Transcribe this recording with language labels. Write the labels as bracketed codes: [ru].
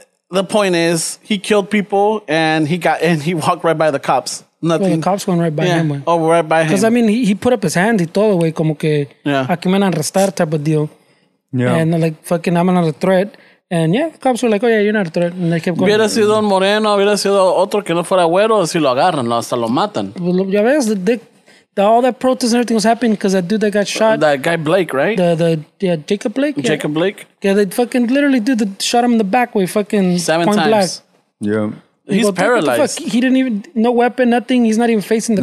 [en] The point is, he killed people, and he walked right by the cops. Nothing. Well, the cops went right by him. Oh, right by him. Because, I mean, he put up his hand, [es] y todo, güey, como que, aquí me van a arrestar [en] type of deal. Yeah. And like, fucking, I'm not a threat. And yeah, cops were like, oh yeah, you're not a threat. And they kept going. [es] Hubiera sido un moreno, hubiera sido otro que no fuera güero, si lo agarran, no, hasta lo matan. Ya ves, [en] all that protest and everything was happening because that dude that got shot. That guy Blake, right? The Jacob Blake? Yeah. Jacob Blake? Yeah, they fucking literally dude that shot him in the back way, fucking seven point times. Black. Yeah. He's paralyzed. Fuck? He didn't even, no weapon, nothing. He's not even facing the